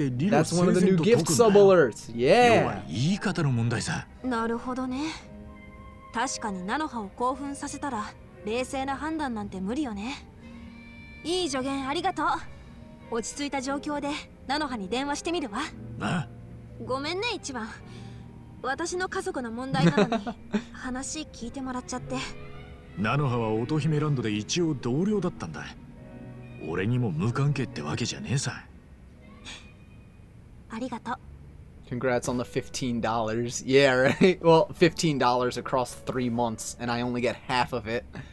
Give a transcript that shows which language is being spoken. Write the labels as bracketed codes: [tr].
[en] That's one of the new gift sub alerts. Yeah! [ja] なるほどね。確かにナノハを興奮させたら冷静な判断なんて無理よね。いい助言ありがとう。落ち着いた状況でナノハに電話してみるわ。ごめんね一番。私の家族の問題なのに話聞いてもらっちゃって。ナノハは乙姫ランドで一応同僚だったんだ。俺にも無関係ってわけじゃねえさ。ありがとう。 [en] Congrats on the $15. Yeah, right? Well, $15 across 3 months, and I only get half of it.